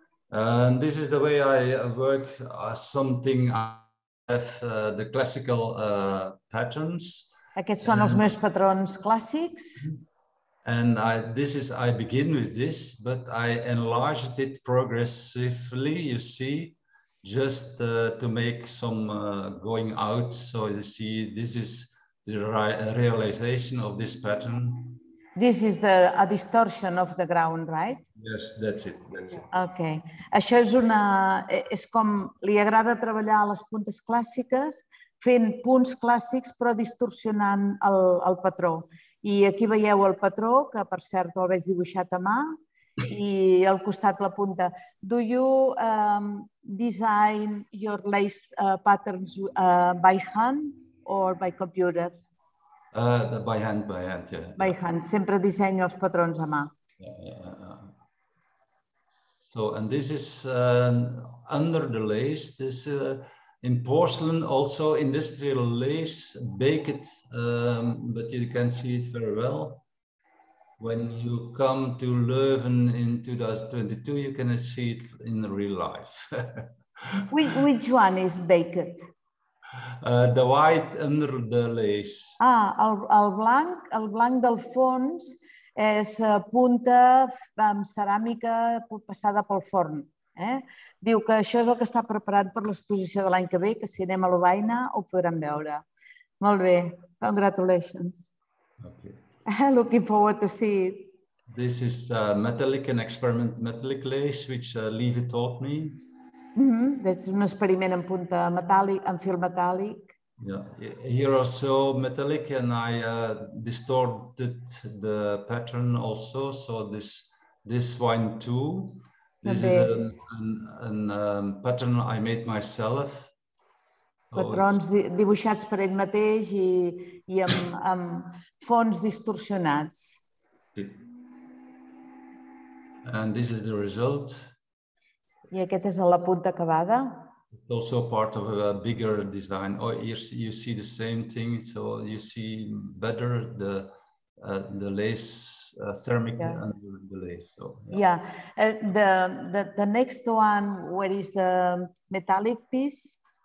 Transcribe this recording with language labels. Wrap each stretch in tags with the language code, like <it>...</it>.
<en>And this is the way I work something. I have the classical patterns.</en> <ca>Aquests són els meus patrons clàssics.</ca> <en>And I begin with this, but I enlarged it progressively, you see, just to make some going out. So you see, this is the realization of this pattern. This is a distortion of the ground, right? Yes, that's it.</en> <ca>Okay. Això és una... És com li agrada treballar les puntes clàssiques, fent punts clàssics però distorsionant el patró. I aquí veieu el patró, que per cert el veig dibuixat a mà, i al costat la punta.</ca> <en>Do you design your lace patterns by hand or by computer? By hand, yeah. By hand,</en> <ca>sempre dissenyo els patrons a mà.</ca> <en>So, and this is under the lace, this in porcelain also industrial lace, baked, but you can see it very well. When you come to Leuven in 2022, you cannot see it in real life. which one is baked? The white under the lace.</en> <ca>Ah, el blanc del fons és punta amb ceràmica passada pel forn. Diu que això és el que està preparat per l'exposició de l'any que ve, que si anem a l'Ovaina ho podrem veure. Molt bé,</ca> <en>congratulations. Okay. Looking forward to see it. This is metallic and experiment metallic lace, which LIEVE taught me. Mm-hmm.</en> <ca>És un experiment amb punta metàl·lic, amb fil metàl·lic.</ca> <en>Yeah, here also metallic and I distorted the pattern also, so this one too. This</en> <ca>també</ca> <en>is a pattern I made myself.</en> <ca>Patrons dibuixats per ell mateix i amb fons distorsionats. Sí.</ca> <en>And this is the result.</en> <ca>I aquest és la punta acabada.</ca> <en>It's also part of a bigger design. Oh, you see the same thing, so you see better the lace, ceramic, yeah, under the lace. So, yeah. Yeah. The next one, where is the metallic piece?</en>